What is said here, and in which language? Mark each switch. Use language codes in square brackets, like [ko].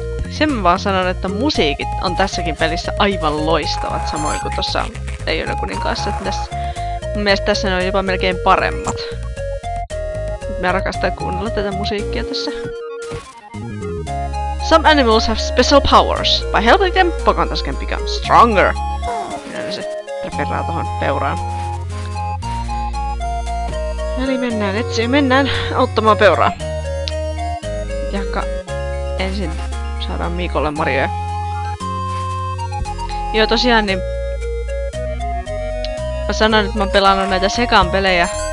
[fi] Sen mä vaan sanon, että musiikit on tässäkin pelissä aivan loistavat. Samoin kuin tossa Leijonan kuninkaassa. Mun mielestä tässä ne on jopa melkein paremmat. Mä rakastan kuunnella tätä musiikkia tässä. [en] Some animals have special powers. By helping them, Pocahontas can become stronger. [fi] Ja se referaa tohon peuraan. Eli mennään etsiin, mennään auttamaan peuraa. Jahka ensin saadaan Miikolle marjoja. Joo, tosiaan niin mä sanoin, että mä oon pelannut näitä Segan pelejä.